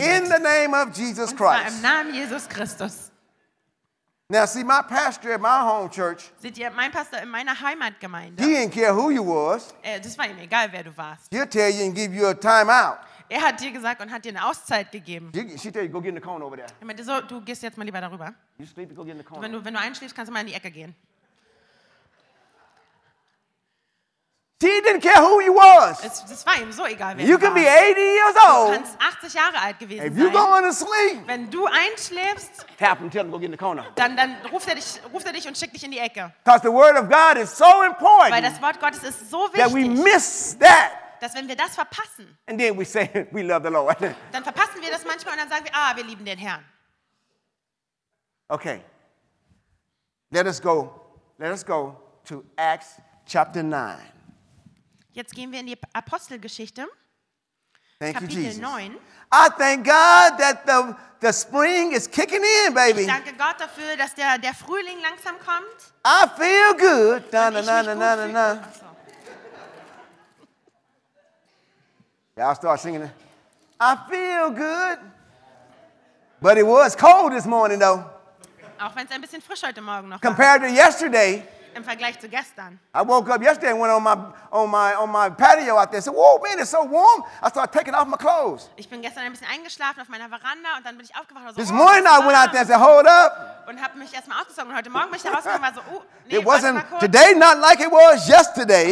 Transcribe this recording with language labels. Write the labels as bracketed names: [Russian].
[English] In the name of Jesus Christ. [German] Und zwar im Namen Jesus Christus. [English] Now see my pastor at my home church. [German] Seht ihr, mein Pastor in meiner Heimatgemeinde. [English] He didn't care who you was. [German] Das war ihm egal, wer du warst. [English] He'll tell you and give you a time out. [German] Er hat dir gesagt und hat dir eine Auszeit gegeben. [English] She tell you go get in the corner over there. [German] Er meinte so, du gehst jetzt mal lieber darüber. [English] You sleep, go get in the corner. [German] Wenn du einschläfst, kannst du mal in die Ecke gehen. [English] He didn't care who he was. [German] Das war ihm so egal, wer [English] you can be 80 years old. [German] Du kannst 80 Jahre alt gewesen [English] if you're [German] sein. [English] Going to sleep, [German] wenn du einschläfst, [English] tap him, tell him, go get in the corner. [German] Dann ruft er dich und schickt dich in die Ecke. [English] Because the word of God is so important. [German] Weil das Wort Gottes ist so wichtig. [English] That we miss that. [German] Dass wenn wir das verpassen. [English] And then we say we love the Lord. [German] Dann verpassen wir das manchmal und dann sagen wir, ah, wir lieben den Herrn. [English] Okay. Let us go to Acts chapter 9. [German] Jetzt gehen wir in die Apostelgeschichte, [English] thank [German] Kapitel [English] you, Jesus. [German] 9. [English] I thank God that the spring is kicking in, baby. [German] Ich danke Gott dafür, dass der Frühling langsam kommt. [English] I feel good. Na, na, na, na, na, na, na. Y'all start singing. I feel good. But it was cold this morning, though. [German] Auch wenn es ein bisschen frisch heute Morgen noch [English] compared [German] war. [English] To yesterday. [German] Im Vergleich zu gestern. [English] I woke up yesterday and went on my patio out there. Said, "Whoa, man, it's so warm." I started taking off my clothes. [German] Ich bin gestern ein bisschen eingeschlafen auf meiner Veranda und dann bin ich aufgewacht. [English] This morning I went out there and said, "Hold up." [German] Und habe mich erstmal ausgezogen und heute Morgen bin ich rausgekommen und war so, nee, [English] it wasn't today not like it was yesterday.